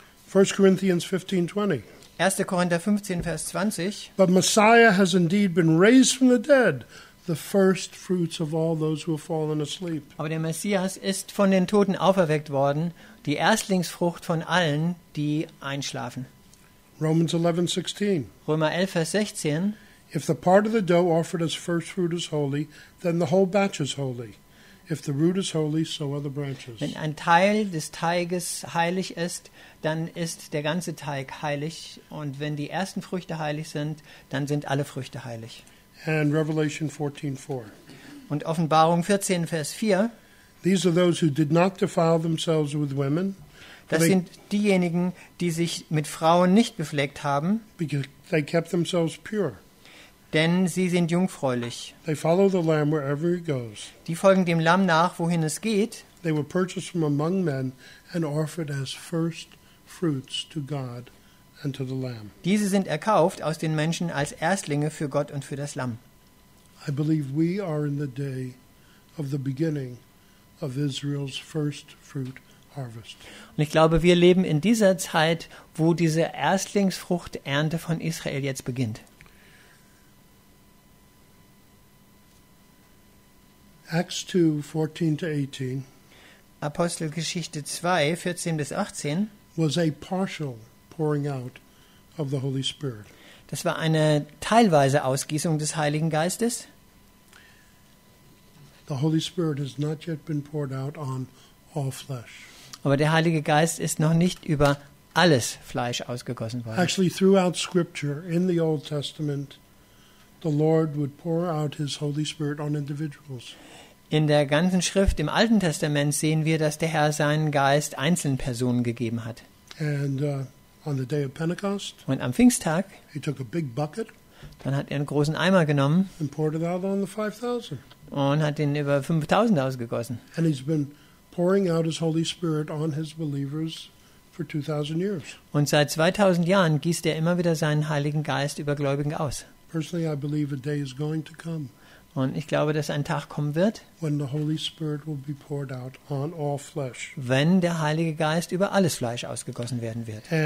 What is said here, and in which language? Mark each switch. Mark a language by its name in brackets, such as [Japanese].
[English] 1. Corinthians 15:20. [German] 1. Korinther 15, Vers 20. [English] But Messiah has indeed been raised from the dead, the first fruits of all those who have fallen asleep. [German] Aber der Messias ist von den Toten auferweckt worden, die Erstlingsfrucht von allen, die einschlafen. [English] Romans 11:16. [German] Römer 11, Vers 16. [English] If the part of the dough offered as first fruit is holy, then the whole batch is holy. If the root is holy, so are the branches. [German] Wenn ein Teil des Teiges heilig ist, dann ist der ganze Teig heilig, und wenn die ersten Früchte heilig sind, dann sind alle Früchte heilig. [English] And Revelation 14:4. [German] Und Offenbarung 14, Vers 4. [English] These are those who did not defile themselves with women. [German] Das sind diejenigen, die sich mit Frauen nicht befleckt haben. [English] Because they kept themselves pure. [German] Denn sie sind jungfräulich. [English] They follow the Lamb wherever he goes. [German] Die folgen dem Lamm nach, wohin es geht. [English] They were purchased from among men and offered as first fruits to God. And to the Lamb. [German] Diese sind erkauft aus den Menschen als Erstlinge für Gott und für das Lamm. [English] I believe we are in the day of the beginning of Israel's first fruit harvest. [German] Und ich glaube, wir leben in dieser Zeit, wo diese Erstlingsfruchternte von Israel jetzt beginnt. [English] Acts 2:14-18. [German] Apostelgeschichte 2, 14 bis 18. [English] Was a partial pouring out of the Holy Spirit. [German] Das war eine teilweise Ausgießung des Heiligen Geistes. [English] The Holy Spirit has not yet been poured out on all flesh. [German] Aber der Heilige Geist ist noch nicht über alles Fleisch ausgegossen worden. [English] Actually, throughout Scripture, in the Old Testament, the Lord would pour out His Holy Spirit on individuals. [German] In der ganzen Schrift im Alten Testament sehen wir, dass der Herr seinen Geist einzelnen Personen gegeben hat. [English] And, on the day of Pentecost, [German] und am Pfingsttag [English] he took a big bucket, [German] dann hat er einen großen Eimer genommen [English] and poured it out on the 5,000. [German] Und hat ihn über 5,000 ausgegossen. [English] And he's been pouring out his Holy Spirit on his believers for 2,000 years. [German] Und seit 2,000 Jahren gießt er immer wieder seinen Heiligen Geist über Gläubigen aus. [English] Personally, I believe a day is going to come. [German] Und ich glaube, dass ein Tag kommen wird, wenn der Heilige Geist über alles Fleisch ausgegossen werden wird.